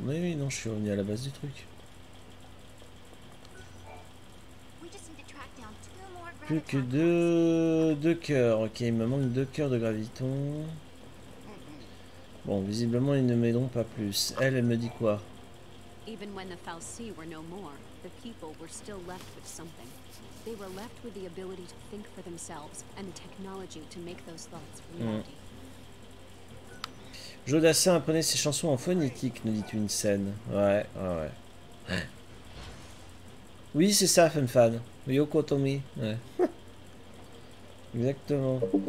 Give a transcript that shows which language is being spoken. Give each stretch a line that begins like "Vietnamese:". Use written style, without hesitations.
French: Mais oui, non, je suis revenu à la base du truc. Plus que deux cœurs. Ok, il me manque deux cœurs de graviton. Bon, visiblement, ils ne m'aideront pas plus. Elle me dit quoi?
English: Even when the Falci were no more, the people were still left with something. They were left with the ability to think for themselves and the technology to make those thoughts reality.
French: Joe Dassin apprenait ses chansons en phonétique, nous dit une scène. Ouais, ouais, ouais. Oui, c'est ça, Fanfan. Yoko Tomi. Ouais. Exactement.